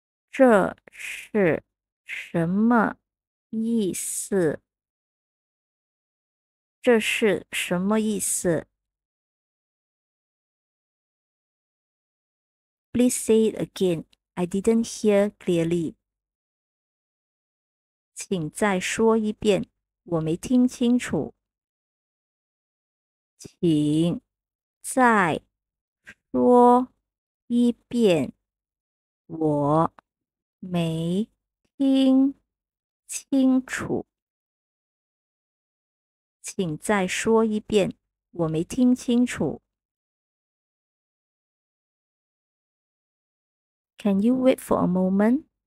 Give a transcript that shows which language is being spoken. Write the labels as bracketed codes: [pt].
[zh] 这是什么意思？这是什么意思？ [en] Please say it again. I didn't hear clearly. [zh] 请再说一遍，我没听清楚。请再说一遍，我没听清楚。请再说一遍，我没听清楚。 [en] Can you wait for a moment?